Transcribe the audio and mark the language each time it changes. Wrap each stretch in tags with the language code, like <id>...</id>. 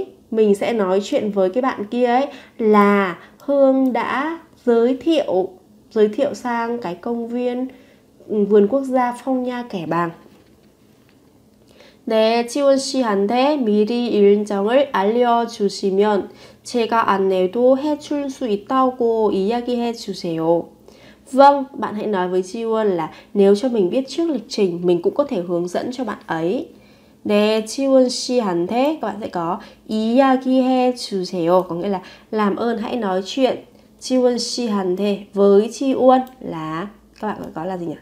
<vi>Mình sẽ nói chuyện với cái bạn kia ấy là Hương đã giới thiệu sang cái công viên vườn quốc gia Phong Nha Kẻ Bàng.</vi> <ko>네, 지원 씨한테 미리 일정을 알려 주시면 제가 안내도 해 줄 수 있다고 이야기해 주세요.</ko> <vi>Vâng, bạn hãy nói với Jiwon là nếu cho mình biết trước lịch trình, mình cũng có thể hướng dẫn cho bạn ấy.</vi> <ko>네, Jiwon 씨한테</ko> <vi>các bạn sẽ có</vi> <ko>이야기해 주세요</ko> <vi>có nghĩa là làm ơn hãy nói chuyện.</vi> <ko>Jiwon 씨한테</ko> <vi>với Jiwon là các bạn có là gì nhỉ?</vi>